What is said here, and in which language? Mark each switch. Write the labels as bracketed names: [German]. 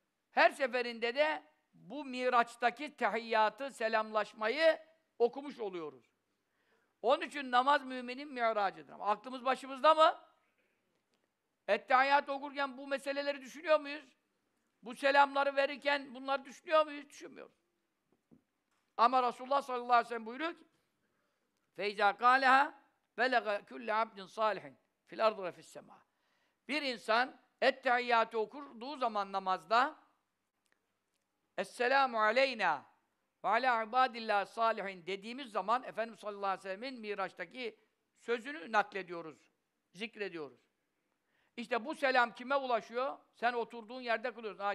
[Turkish] Her seferinde de bu Miraç'taki tehiyyatı, selamlaşmayı okumuş oluyoruz. Onun için namaz müminin miracıdır. Aklımız başımızda mı? Ettehiyyatı okurken bu meseleleri düşünüyor muyuz? Bu selamları verirken bunları düşünüyor muyuz? Düşünmüyoruz. Ama Resulullah sallallahu aleyhi ve sellem buyuruyor ki [Arabic] فَيْزَا قَالَهَا بَلَغَ كُلَّ عَبْدٍ صَالِحٍ فِي الْاَرْضِ وَفِي السَّمَاءِ. [Turkish] Bir insan ettehiyyatı okurduğu zaman namazda Esselamu aleyna ve ala ibadillah salihin dediğimiz zaman Efendimiz sallallahu aleyhi ve sellem'in Miraç'taki sözünü naklediyoruz, zikrediyoruz. İşte bu selam kime ulaşıyor? Sen oturduğun yerde kılıyorsun.